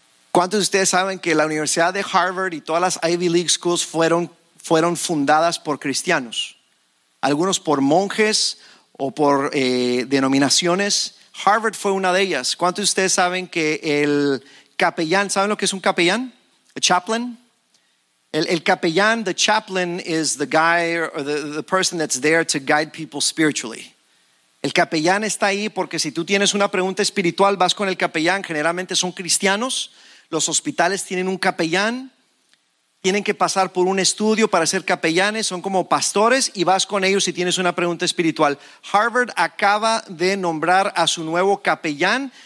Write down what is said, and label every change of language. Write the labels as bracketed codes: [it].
[es] ¿Cuántos de ustedes saben que la Universidad de Harvard y todas las Ivy League schools fueron fundadas por cristianos? Algunos por monjes o por denominaciones. Harvard fue una de ellas. ¿Cuántos de ustedes saben que el capellán, saben lo que es un capellán? [en] A chaplain. [es] El capellán, [en] the chaplain, is the guy or the person that's there to guide people spiritually. [es] El capellán está ahí porque si tú tienes una pregunta espiritual, vas con el capellán. Generalmente son cristianos. Los hospitales tienen un capellán. Tienen que pasar por un estudio para ser capellanes. Son como pastores y vas con ellos si tienes una pregunta espiritual. Harvard acaba de nombrar a su nuevo capellán.